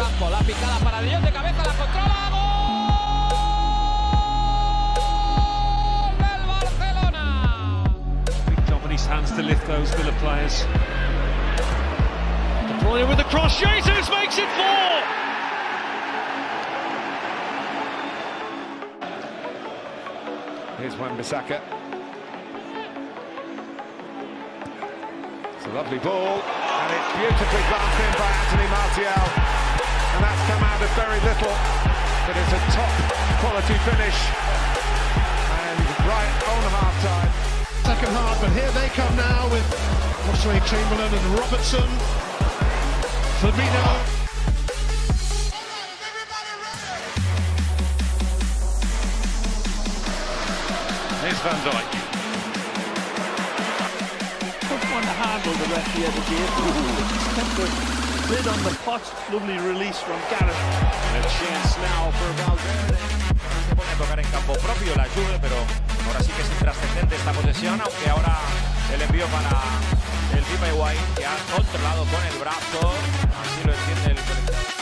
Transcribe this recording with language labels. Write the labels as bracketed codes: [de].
[es] La picada para Lyon de cabeza, la controla, ¡gol del Barcelona! [en] Big job in his hands to lift those Villa players. De Bruyne with the cross, Jesus makes it four! Here's Wan-Bissaka. It's a lovely ball, and it's beautifully glanced in by Anthony Martial. And that's come out of very little, but it's a top quality finish. And right on half time. Second half, but here they come now with Oxlade Chamberlain and Robertson. Firmino. Here's Van Dijk. Tough one to handle the ref here, the game. Bid on the pot, lovely release from Gareth. And a chance now for Valverde. [es] Se pone a tocar en campo propio la Juve, pero ahora sí que es intrascendente esta posesión, aunque ahora el envío para el Pipa Higuaín, que ha controlado con el brazo, así lo entiende el colectivo.